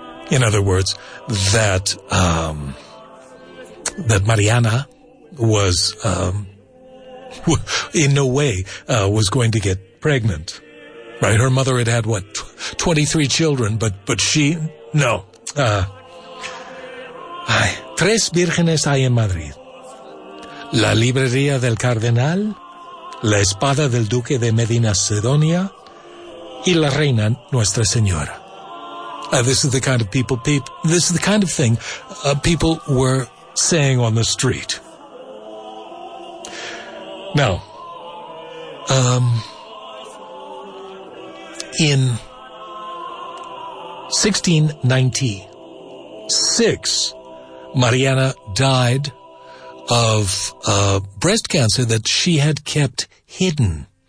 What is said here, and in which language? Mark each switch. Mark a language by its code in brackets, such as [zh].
[en] In other words, that that Mariana was in no way was going to get pregnant, right? Her mother had had, what, 23 children, but she, no. [es] Tres vírgenes hay en Madrid. La librería del cardenal, la espada del duque de Medina Sidonia, y la reina Nuestra Señora. [en] This is the kind of people, this is the kind of thing people were saying on the street. Now, in 1696, Mariana died of breast cancer that she had kept hidden.